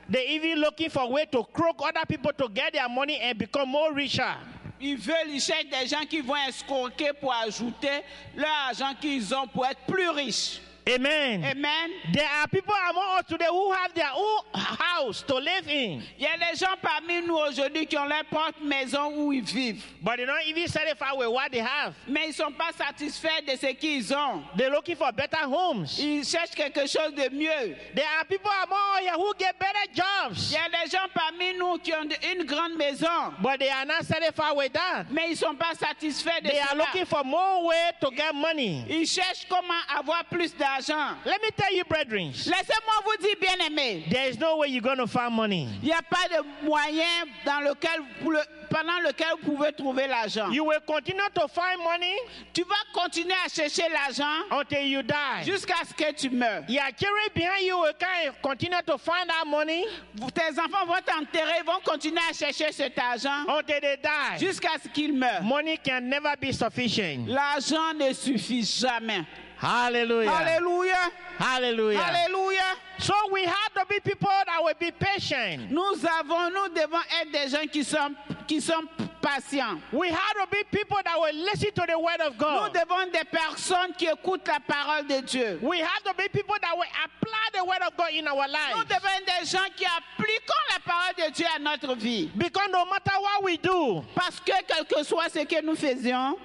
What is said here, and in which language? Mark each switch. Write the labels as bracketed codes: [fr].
[en] They're even looking for a way to croak other people to get their money and become more richer. [fr] Ils veulent, ils cherchent des gens qui vont escroquer pour ajouter leur argent qu'ils ont pour être plus riches. Amen. Amen. [en] There are people among us today who have their own house to live in. [fr] Il y a des gens parmi nous aujourd'hui qui ont leur propre maison où ils vivent. [en] But they're not even satisfied with what they have. [fr] Mais ils sont pas satisfaits de ce qu'ils ont. [en] They're looking for better homes. [fr] Ils cherchent quelque chose de mieux. [en] There are people among us who get better jobs. [fr] Il y a des gens parmi nous qui ont une grande maison. [en] But they are not satisfied with that. [fr] Mais ils sont pas satisfaits de cela. [en] They are looking for more way to get money. [fr] Ils cherchent comment avoir plus d'argent. [en] Let me tell you, brethren. [fr] Laissez-moi vous dire, bien-aimés. [en] There is no way you're going to find money. [fr] Il y a pas de moyen dans lequel pendant lequel vous pouvez trouver l'argent. [en] You will continue to find money. [fr] Tu vas continuer à chercher l'argent. [en] Until you die. [fr] Jusqu'à ce que tu meurs. [en] Your children, you will continue to find that money. [fr] Tes enfants vont t'enterrer, vont continuer à chercher cet argent. [en] Until they die. [fr] Jusqu'à ce qu'ils meurent. [en] Money can never be sufficient. [fr] L'argent ne suffit jamais. Hallelujah. Hallelujah. Hallelujah. Hallelujah. [en] So we have to be people that will be patient. [fr] Nous devons être des gens qui sont patients. [en] We have to be people that will listen to the word of God. [fr] Nous devons des personnes qui écoutent la parole de Dieu. [en] We have to be people that will apply the word of God in our lives. [fr] Nous devons des gens qui appliquent la parole de Dieu à notre vie. [en] Because no matter what we do, [fr] parce que quel que soit ce que nous faisions,